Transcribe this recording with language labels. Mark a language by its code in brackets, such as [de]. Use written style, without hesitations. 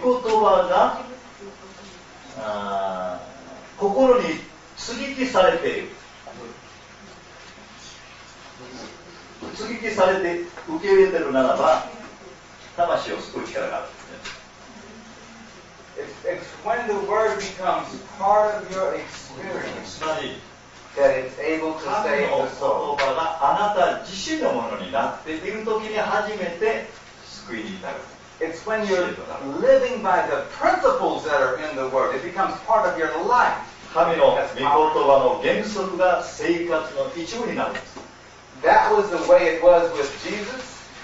[ja] 御言葉が心に接ぎ木されている。接ぎ木されて受け入れているならば、魂を救う力がある。 [en] It's when the word becomes part of your experience. That it's able to save the soul. [ja] 神の言葉があなた自身のものになっている時に初めて救救いになる。 [en] It's when you're living by the principles that are in the word. It becomes part of your life. [ja] 神の御言葉の原則が生活の一部になる。 [en] That was the way it was with Jesus.